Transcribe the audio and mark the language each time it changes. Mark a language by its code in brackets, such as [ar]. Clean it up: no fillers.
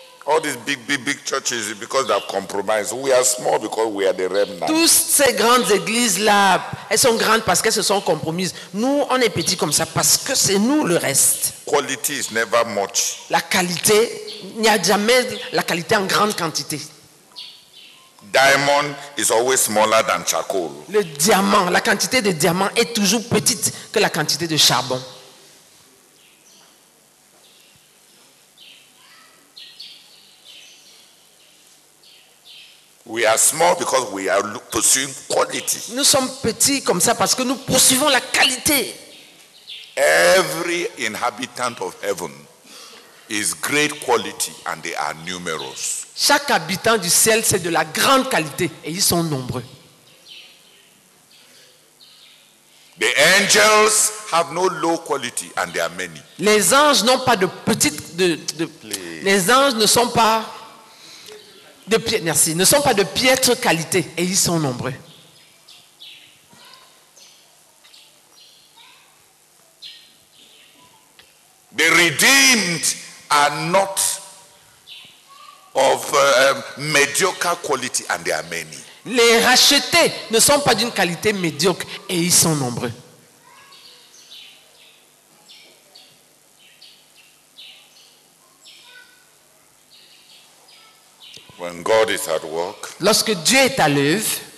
[en] All these big churches because they have compromised. We are small because we are the remnant. [fr] Toutes ces grandes églises là, elles sont grandes parce qu'elles se sont compromises. Nous, on est petits comme ça parce que c'est nous le reste. [en] Quality is never much. [fr] La qualité, il n'y a jamais la qualité en grande quantité. [en] Diamond is always smaller than charcoal. [fr] Le diamant, la quantité de diamant est toujours petite que la quantité de charbon. [en] We are small because we are pursuing quality. [fr] Nous sommes petits comme ça parce que nous poursuivons la qualité. [en] Every inhabitant of heaven is great quality and they are numerous. [fr] Chaque habitant du ciel c'est de la grande qualité et ils sont nombreux. [en] The angels have no low quality and they are many. [fr] Les anges n'ont pas de petite de les anges ne sont pas de piètre, merci, ne sont pas de piètre qualité et ils sont nombreux. [en] The redeemed are not of mediocre quality and they are many. [fr] Les rachetés ne sont pas d'une qualité médiocre et ils sont nombreux. [en] When God is at work, [fr] lorsque Dieu est à l'œuvre,